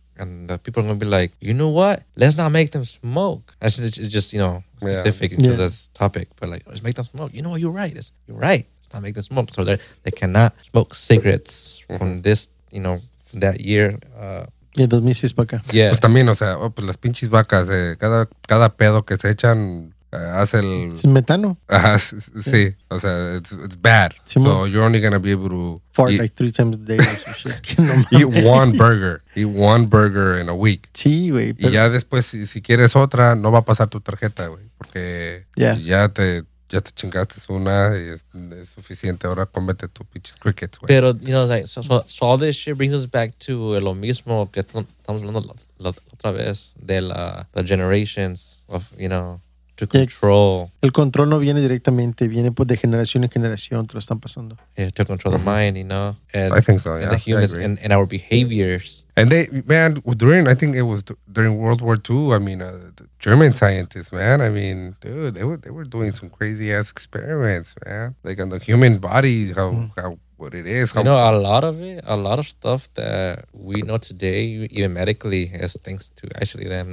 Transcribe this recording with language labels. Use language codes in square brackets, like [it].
[en] And the people are going to be like, you know what? Let's not make them smoke. It's just, you know, specific to this topic. But like, let's make them smoke. You know what? You're right. Let's not make them smoke. So they cannot smoke cigarettes from this, you know, from that year. Yeah, 2006 vaca. Yeah. [es] Pues también, o sea, oh, pues las pinches vacas, cada pedo que se echan hace el... Es metano. [en] Sí. Yeah. [es] O sea, [en] it's bad. So you're only going to be able to... Fart eat, like three times a day. Eat one burger in a week. [es] Sí, güey. Pero... Y ya después, si quieres otra, no va a pasar tu tarjeta, güey. Porque ya te chingaste una y es suficiente. Ahora cómete tu pinches crickets, güey. [en] Pero, you know, like, so all this shit brings us back to [es] lo mismo que estamos hablando la otra vez de [en] the generations of, you know... To control. [es] El control no viene directamente, viene pues de generación en generación, te lo están pasando. [en] Yeah, to control the mind, you know. And, I think so, yeah. And the humans and our behaviors. And they, man, during World War II, I mean, the German scientists, man, I mean, dude, they were doing some crazy-ass experiments, man. Like on the human body, how what it is. You know, a lot of stuff that we know today, even medically, is thanks to actually them.